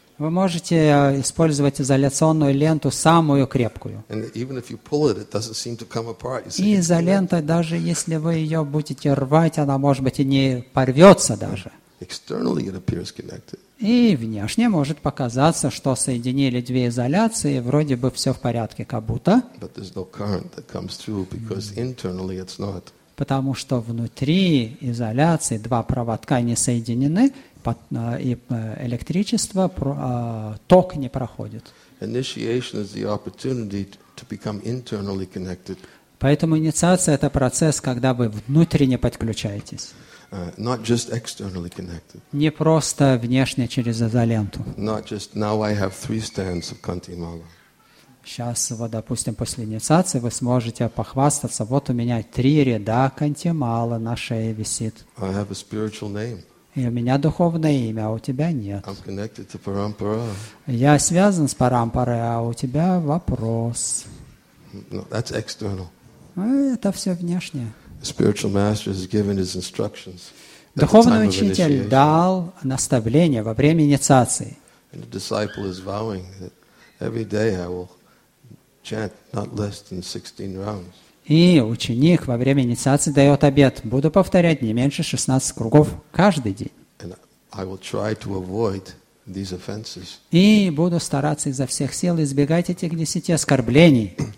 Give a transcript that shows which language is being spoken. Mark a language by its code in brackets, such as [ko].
[ru] Вы можете использовать изоляционную ленту самую крепкую. [en] And even if you pull it, it doesn't seem to come apart. [ru] И изолента, даже если вы ее будете рвать, она, может быть, и не порвется даже. [en] Externally it appears connected. [ru] И внешне может показаться, что соединили две изоляции, вроде бы все в порядке, как будто. [en] But there's no current that comes through because internally it's not. [ru] Потому что внутри изоляции два проводка не соединены. И электричество, ток не проходит. [en] Initiation is the opportunity to become internally connected. [ru] Поэтому инициация — это процесс, когда вы внутренне подключаетесь. [en] Not just externally connected. [ru] Не просто внешне через изоленту. [en] Not just now I have three stands of Kanti Mala. [ru] Сейчас, вот, допустим, после инициации вы сможете похвастаться. Вот у меня три ряда Kanti Mala на шее висит. [en] I have a spiritual name. [ru] И у меня духовное имя, а у тебя нет. [en] I'm connected to Parampara. [ru] Я связан с Парампарой, а у тебя вопрос. [en] No, that's external. [ru] Это все внешнее. [en] Spiritual master has given his instructions. [ru] Духовный учитель дал наставление во время инициации. [en] And the disciple is vowing that every day I will chant not less than 16 rounds. [ru] И ученик во время инициации дает обет. Буду повторять не меньше 16 кругов каждый день. И буду стараться изо всех сил избегать этих 10 оскорблений.